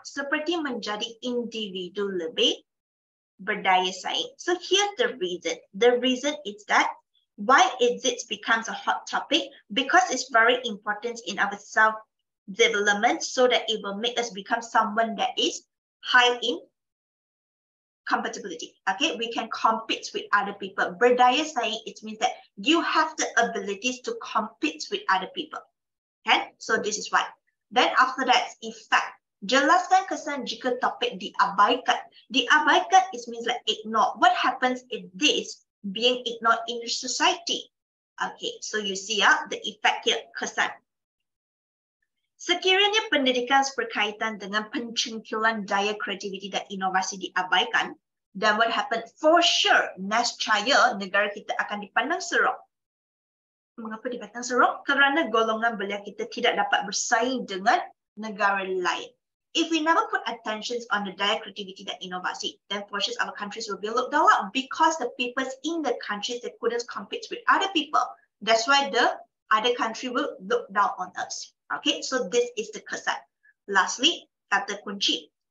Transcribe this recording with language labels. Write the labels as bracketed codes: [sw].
[ms] Seperti menjadi individu lebih berdaya saing. [en] So here's the reason. The reason is that why is it becomes a hot topic? Because it's very important in our self-development so that it will make us become someone that is high in compatibility. Okay, we can compete with other people. [ms] Berdaya saing, [en] it means that you have the abilities to compete with other people. Okay, so this is why. Then after that, effect. [ms] Jelaskan kesan jika topik diabaikan. [en] Diabaikan is means like ignore. What happens if this being ignored in society? Okay, so you see the effect here, [ms] kesan. Sekiranya pendidikan berkaitan dengan pencungkilan daya kreativiti dan inovasi diabaikan, [en] then what happens? For sure, [ms] nescaya negara kita akan dipandang seram. Mengapa dipandang seram? Kerana golongan belia kita tidak dapat bersaing dengan negara lain. [en] If we never put attention on the daya creativity dan inovasi, then for sure our countries will be looked down because the people in the countries they couldn't compete with other people. That's why the other country will look down on us. Okay, so this is the kesan. Lastly, kata kunci.